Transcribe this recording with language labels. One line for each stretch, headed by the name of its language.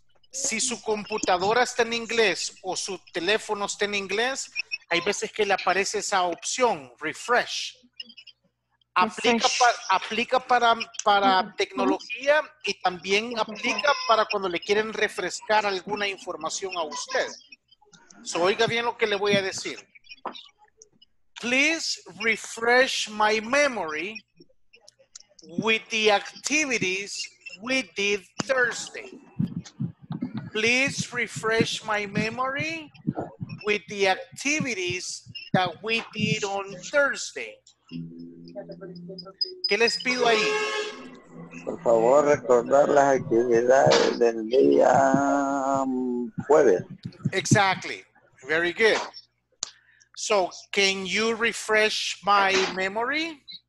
Spanish: Si su computadora está en inglés o su teléfono está en inglés, hay veces que le aparece esa opción, refresh. Aplica, refresh. aplica para tecnología y también aplica para cuando le quieren refrescar alguna información a usted. So, oiga bien lo que le voy a decir.
English: Please refresh my memory with the activities we did Thursday. Please refresh my memory with the activities that we did on Thursday.
Spanish: ¿Qué les pido ahí? Por favor, recordar las actividades del día jueves.
English: Exactly. Very good. So, can you refresh my memory?